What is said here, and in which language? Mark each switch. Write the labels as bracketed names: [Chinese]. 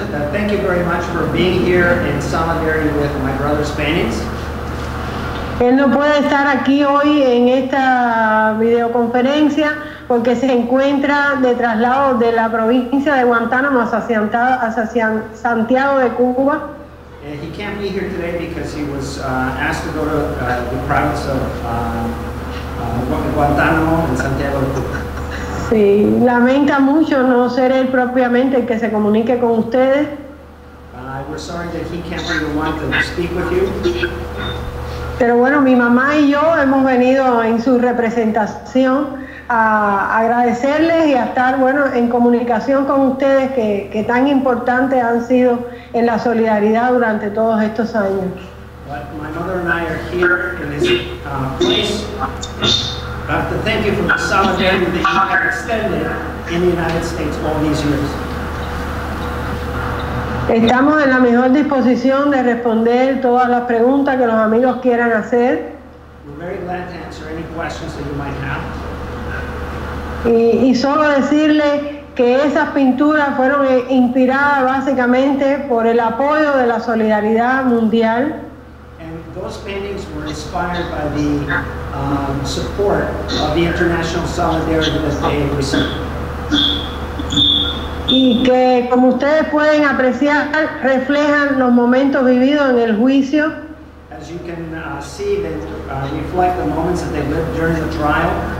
[English] Thank you very much for being here in solidarity with my brother's paintings. [Spanish] Él no puede estar aquí hoy en esta videoconferencia porque se encuentra de traslado de la provincia de Guantánamo hacia Santiago de Cuba. [English] And he can't be here today because he was asked to go to the province of Guantánamo and Santiago de Cuba. [Spanish] Sí, lamenta mucho no ser él propiamente el que se comunique con ustedes. [English] We're sorry that he can't be the one to speak with you. [Spanish] Pero bueno, mi mamá y yo hemos venido en su representación a agradecerles y a estar, bueno, en comunicación con ustedes que tan importantes han sido en la solidaridad durante todos estos años. [English] But my mother and I are here in this place. I have to thank you for the solidarity that you have extended in the United States all these years. [Spanish] Estamos en la mejor disposición de responder todas las preguntas que los amigos quieran hacer. [English] We're very glad to answer any questions that you might have. [Spanish] Y solo decirle que esas pinturas fueron inspiradas básicamente por el apoyo de la solidaridad mundial. [English] And those paintings were inspired by the support of the international solidarity that they received. [Spanish] Y que, como ustedes pueden apreciar, reflejan los momentos vividos en el juicio. [English] As you can see, they reflect the moments that they lived during the trial.